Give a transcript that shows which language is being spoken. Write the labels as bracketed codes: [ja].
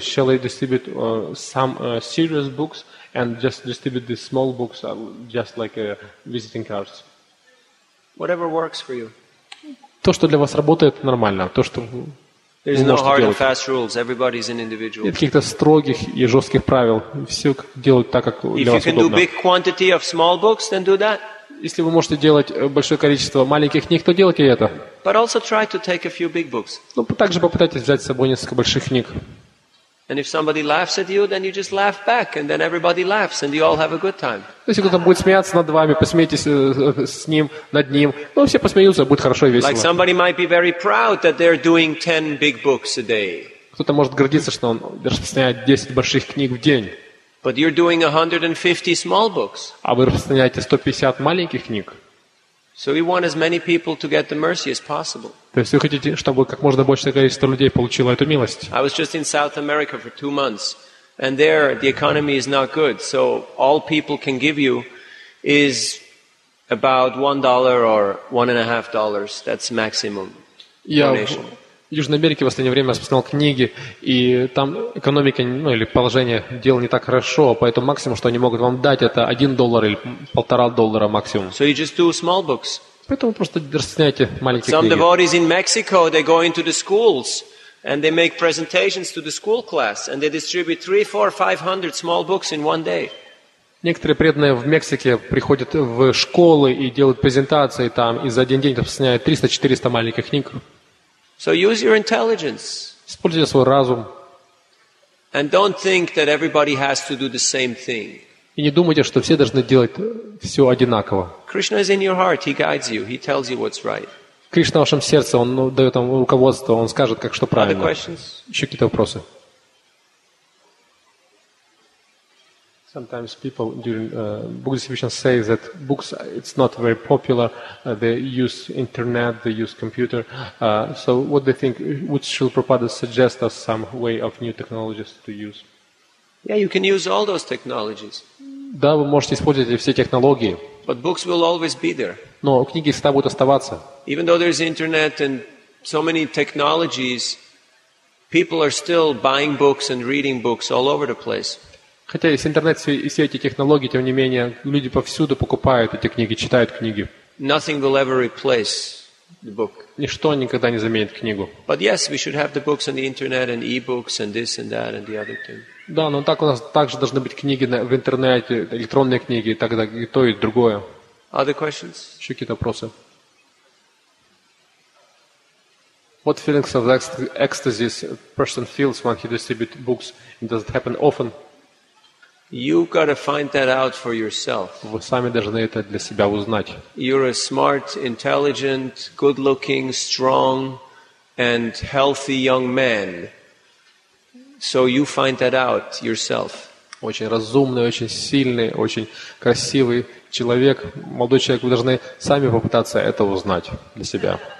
[en] Shall I distribute some serious books and just distribute these small books just like visiting cards? Whatever works for you. [ru] То, что для вас работает, нормально. То, что [en] there's no hard and fast rules. Everybody's an individual. [ru] Нет каких-то строгих и жестких правил. Все делают так, как для вас удобно. [en] If you can do big quantity of small books, then do that. [ru] Если вы можете делать большое количество маленьких книг, то делайте это. [en] But also try to take a few big books. [ru] Ну, также попытайтесь взять с собой несколько больших книг. [en] And if somebody laughs at you, then you just laugh back, and then everybody laughs, and you all have a good time. [ru] Если кто-то будет смеяться над вами, посмейтесь с ним, над ним. Ну, все посмеются, будет хорошо и весело. [en] Like somebody might be very proud that they're doing 10 big books a day. [ru] Кто-то может гордиться, что он распространяет 10 больших книг в день. [en] But you're doing 150 small books. [ru] А вы распространяете 150 маленьких книг. [en] So we want as many people to get the mercy as possible. [ru] То есть вы хотите, чтобы как можно большее количество людей получило эту милость. [en] I was just in South America for 2 months, and there the economy is not good, so all people can give you is about $1 or $1.50. That's maximum donation. [ru] В Южной Америке в последнее время я распространял книги, и там экономика, ну или положение дел не так хорошо, поэтому максимум, что они могут вам дать, это $1 или $1.50 максимум. [en] So you just do small books. [ru] Поэтому просто распространяйте маленькие книги. [en] Some devotees in Mexico, they go into the schools and they make presentations to the school class and they distribute 300-500 small books in one day. [ru] Некоторые преданные в Мексике приходят в школы и делают презентации там, и за один день распространяют 300-400 маленьких книг. [en] So use your intelligence. [ru] Используйте свой разум. [en] And don't think that everybody has to do the same thing. [ru] И не думайте, что все должны делать все одинаково. [en] Krishna is in your heart. He guides you. He tells you what's right. [ru] Кришна в вашем сердце. Он дает вам руководство. Он скажет, как что правильно. [en] Other questions? [ru] Еще какие-то вопросы? [en] Sometimes people during book distribution say that books, it's not very popular. They use internet, they use computer. So what do you think? Would Srila Prabhupada suggest us some way of new technologies to use? Yeah, you can use all those technologies. [ru] Да, вы можете использовать все технологии. [en] But books will always be there. [ru] Но книги всегда будут оставаться. [en] Even though there's internet and so many technologies, people are still buying books and reading books all over the place. [ru] Хотя есть интернет и все эти технологии, тем не менее, люди повсюду покупают эти книги, читают книги. [en] Nothing will ever replace the book. [ru] Ничто никогда не заменит книгу. [en] But yes, we should have the books on the internet and e-books and this and that and the other thing. [ru] Да, но так у нас также должны быть книги в интернете, электронные книги и так далее, и то, и другое. [en] Other questions? [ru] Еще какие-то вопросы? [en] What feelings of ecstasy a person feels when he distributes books? Does it happen often? You've got to find that out for yourself. [ru] Вы сами должны это для себя узнать. [en] You're a smart, intelligent, good-looking, strong, and healthy young man. So you find that out yourself. [ru] Очень разумный, очень сильный, очень красивый человек, молодой человек, вы должны сами попытаться это узнать для себя.